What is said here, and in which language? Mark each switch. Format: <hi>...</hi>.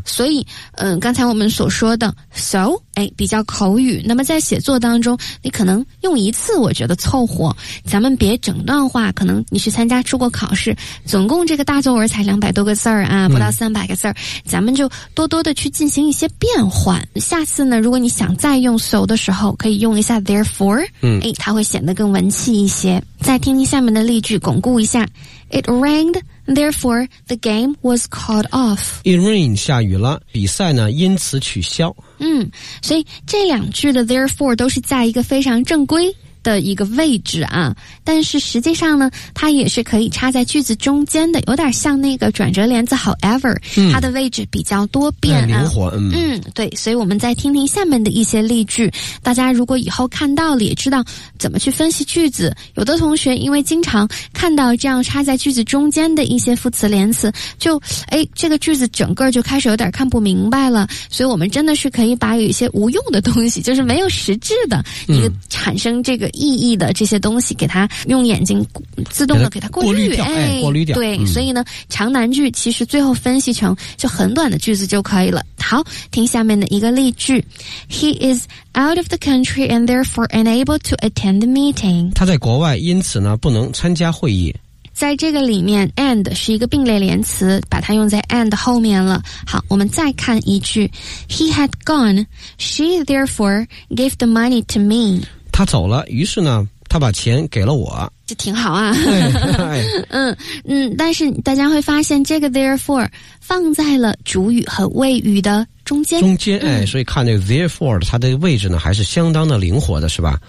<zh>所以刚才我们所说的 so 哎比较口语，那么在写作当中你可能用一次我觉得凑合，咱们别整段话，可能你去参加出国考试，总共这个大作文才200多个字啊，不到300个字、咱们就多多的去进行一些变换，下次呢如果你想再用 so 的时候可以用一下 therefore， 哎它会显得更文气一些。再听听下面的例句巩固一下。</zh> <en>It rained, therefore the game was called off. It rained,</en> <zh>下雨了，比赛呢因此取消。嗯，所以这两句的 therefore 都是在一个非常正规的一个位置啊，但是实际上呢它也是可以插在句子中间的，有点像那个转折帘子 however、它的位置比较多变、灵活。对，所以我们再听听下面的一些例句，大家如果以后看到了也知道怎么去分析句子，有的同学因为经常看到这样插在句子中间的一些副词连词，就哎，这个句子整个就开始有点看不明白了，所以我们真的是可以把有一些无用的东西，就是没有实质的一个产生这个意义的这些东西，给它用眼睛自动的给它过滤掉，对、所以呢长难句其实最后分析成就很短的句子就可以了。好，听下面的一个例句。</zh> <en>He is out of the country and therefore unable to attend the meeting.</en> <zh>他在国外，因此呢不能参加会议。在这个里面 and 是一个并列连词，把它用在 and 后面了。好，我们再看一句。</zh> <en>He had gone, she therefore gave the money to me.</en> <zh>他走了，于是呢他把钱给了我，这挺好啊、哎、但是大家会发现这个 therefore 放在了主语和谓语的中间、哎、所以看这个 therefore 它的位置呢还是相当的灵活的，是吧？</zh>